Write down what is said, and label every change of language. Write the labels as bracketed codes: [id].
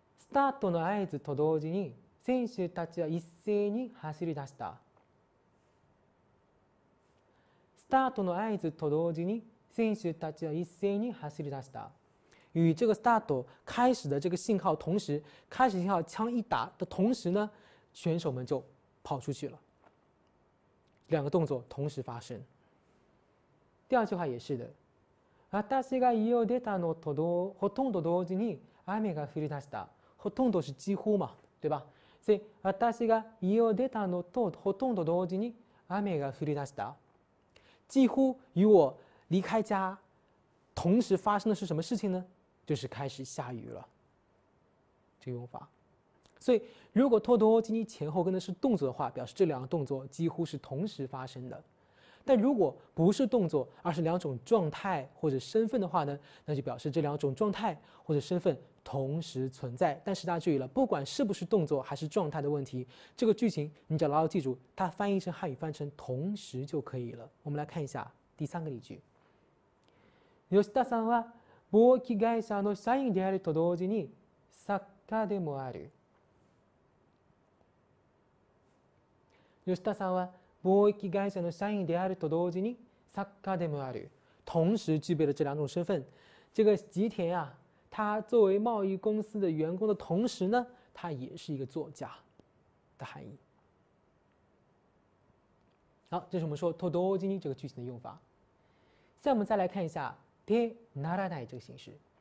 [ja] スタートの合図と同時に選手たちは一斉に走り出した。スタートの合図と同時に選手たちは一斉に走り出した。 [zh] 与这个 start 开始的这个信号同时，开始信号枪一打的同时呢，选手们就跑出去了。两个动作同时发生。第二句话也是的。 [ja] 私が家を出たのとほとんど同時に雨が降り出した。 [zh] ほとんど是几乎嘛，对吧？所以 [ja] 私が家を出たのとほとんど同時に雨が降り出した。 [zh] 几乎与我离开家同时发生的是什么事情呢？就是开始下雨了。这个用法。所以如果と同時に前后跟的是动作的话，表示这两个动作几乎是同时发生的。但如果不是动作，而是两种状态或者身份的话呢，那就表示这两种状态或者身份同时存在。但是大家注意了，不管是不是动作还是状态的问题，这个句型你只要牢牢记住，它翻译成汉语翻成"同时"就可以了。我们来看一下第三个例句。 [ja] 吉田さんは貿易会社の社員であると同時に作家でもある。吉田さんは貿易会社の社員であると同時に作家でもある。 [zh] 同时具备了这两种身份。这个吉田啊，他作为贸易公司的员工的同时呢，他也是一个作家的含义。好，这是我们说"と同時に"这个句型的用法。下面我们再来看一下"でならない"这个形式。